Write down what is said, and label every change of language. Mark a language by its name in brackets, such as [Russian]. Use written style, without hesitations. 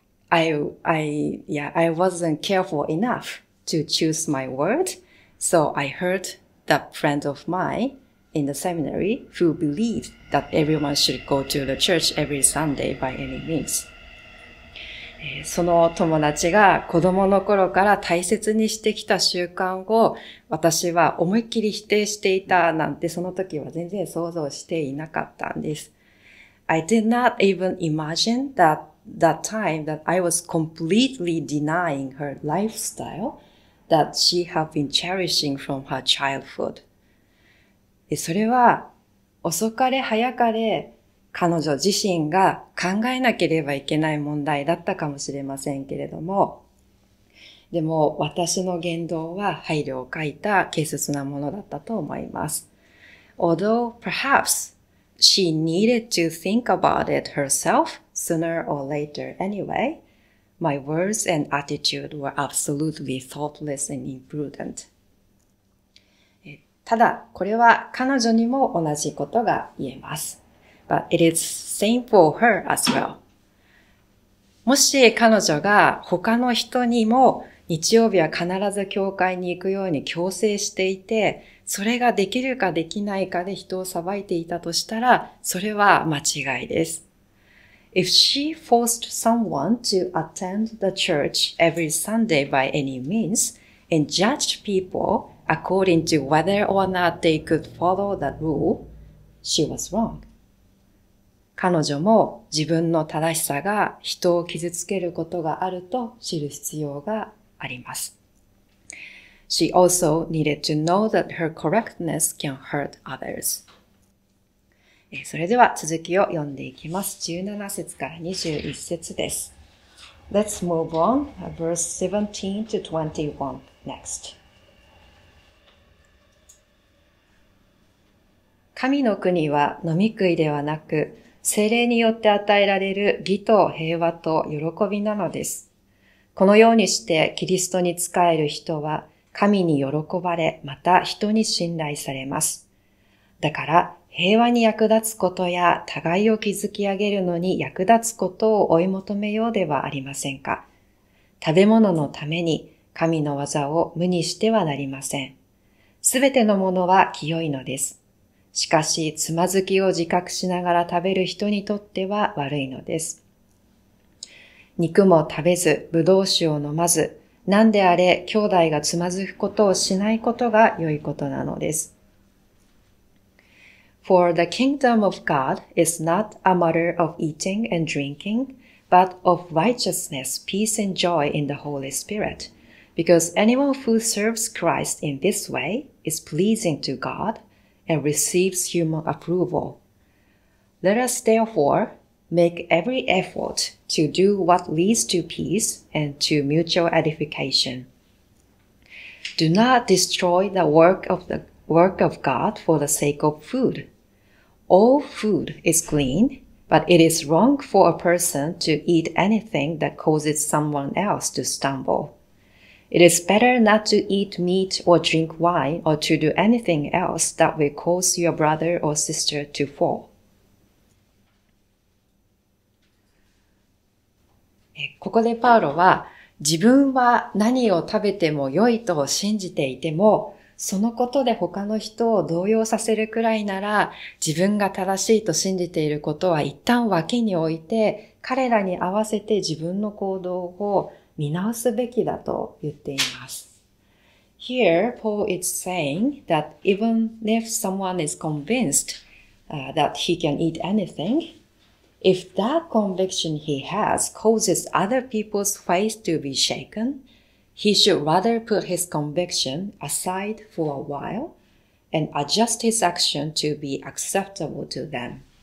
[English] I wasn't careful enough to choose my word. So I heard that friend of mine in the seminary who believed that everyone should go to the church every Sunday by any means. [Japanese] その友達が子供の頃から大切にしてきた習慣を私は思いっきり否定していたなんてその時は全然想像していなかったんです。 [English] I did not even imagine that time that I was completely denying her lifestyle that she had been cherishing from her childhood. [Japanese] それは遅かれ早かれ彼女自身が考えなければいけない問題だったかもしれませんけれども、でも私の言動は配慮を欠いた軽率なものだったと思います。 [English] Although perhaps she needed to think about it herself sooner or later anyway, my words and attitude were absolutely thoughtless and imprudent. [Japanese] ただ、これは彼女にも同じことが言えます。 [English] But it is same for her as well. [Japanese] もし彼女が他の人にも日曜日は必ず教会に行くように強制していて、それができるかできないかで人を裁いていたとしたら、それは間違いです。 [English] If she forced someone to attend the church every Sunday by any means and judged people according to whether or not they could follow that rule, she was wrong. [Japanese] 彼女も自分の正しさが人を傷つけることがあると知る必要があります。 [English] She also needed to know that her correctness can hurt others. [Japanese] それでは続きを読んでいきます。 17節から21節です。 [English] Let's move on, verse 17 to 21 next. [Japanese] 神の国は飲み食いではなく、聖霊によって与えられる義と平和と喜びなのです。このようにしてキリストに仕える人は神に喜ばれまた人に信頼されます。だから平和に役立つことや互いを築き上げるのに役立つことを追い求めようではありませんか。食べ物のために神の技を無にしてはなりません。すべてのものは清いのです。しかし、つまずきを自覚しながら食べる人にとっては悪いのです。肉も食べず、ぶどう酒を飲まず、何であれ兄弟がつまずくことをしないことが良いことなのです。 [English] For the kingdom of God is not a matter of eating and drinking, but of righteousness, peace and joy in the Holy Spirit. Because anyone who serves Christ in this way is pleasing to God,and receives human approval. Let us therefore make every effort to do what leads to peace and to mutual edification. Do not destroy the work of God for the sake of food. All food is clean, but it is wrong for a person to eat anything that causes someone else to stumble. It is better not to eat meat or drink wine or to do anything else that will cause your brother or sister to fall. [Japanese] ここでパウロは、自分は何を食べても良いと信じていても、そのことで他の人を動揺させるくらいなら、自分が正しいと信じていることは一旦脇に置いて、彼らに合わせて自分の行動を見直すべきだと言っています。 [English] Here, Paul is saying that even if someone is convinced, that he can eat anything, if that conviction he has causes other people's faith to be shaken, he should rather put his conviction aside for a while and adjust his action to be acceptable to them.